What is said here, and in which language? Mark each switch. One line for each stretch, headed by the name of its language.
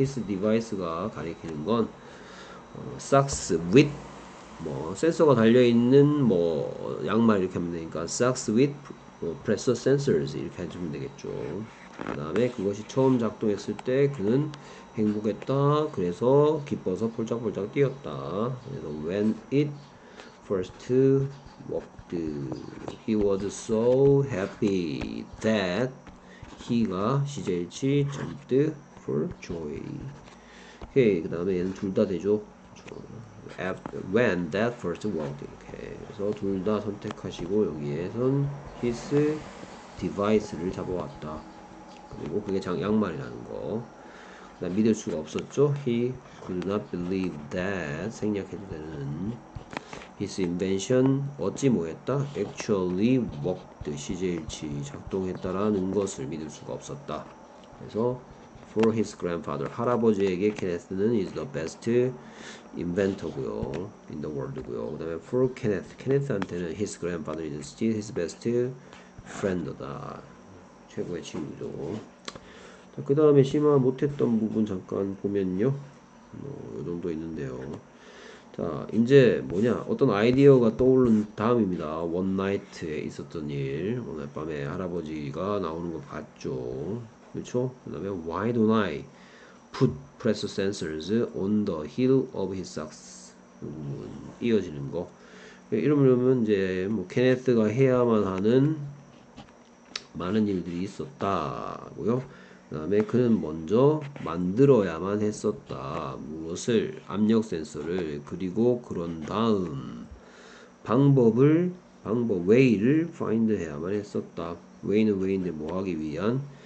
English: His device
Korean: 가 가리키는 건
English: socks with
Korean: 뭐 센서가 달려 있는 뭐 양말 이렇게 하면 되니까 socks with 뭐,
English: pressure sensors
Korean: 이렇게 해주면 되겠죠. 그 다음에 그것이 처음 작동했을 때 그는 행복했다. 그래서 기뻐서 폴짝폴짝 뛰었다. 그래서
English: when it first walked, he was so happy that he가
Korean: 시제일치
English: jumped for joy.
Korean: 오케이. 그 다음에 얘는 둘다 되죠.
English: when that first walked.
Korean: 이렇게 해서 둘다 선택하시고 여기에선
English: his device
Korean: 를 잡아왔다. 그리고 그게 양말이라는 거. 그다음 믿을 수가 없었죠.
English: He could not believe that
Korean: 생략해도 되는
English: his invention
Korean: 어찌 뭐했다?
English: Actually worked.
Korean: 시제일치 작동했다라는 것을 믿을 수가 없었다. 그래서
English: for his grandfather
Korean: 할아버지에게 케네스는
English: is the best inventor고요. In the world고요. 그다음에 for Kenneth
Korean: 케네스한테는
English: his grandfather is still his best friend다.
Korean: 최고의 친구죠. 자, 그 다음에 심화 못했던 부분 잠깐 보면요. 뭐, 요 정도 있는데요. 자, 이제 뭐냐. 어떤 아이디어가 떠오른 다음입니다. 원나이트에 있었던 일. 오늘 밤에 할아버지가 나오는 거 봤죠. 그쵸?
English: 그 다음에, why don't I put pressure sensors on the heel of his socks?
Korean: 이어지는 거. 이러면 이제, 뭐, 케네스가 해야만 하는 많은 일들이 있었다고요. 그 다음에 그는 먼저 만들어야만 했었다. 무엇을? 압력 센서를. 그리고 그런 다음 방법 way를 find 해야만 했었다. way는 way인데 뭐 하기 위한?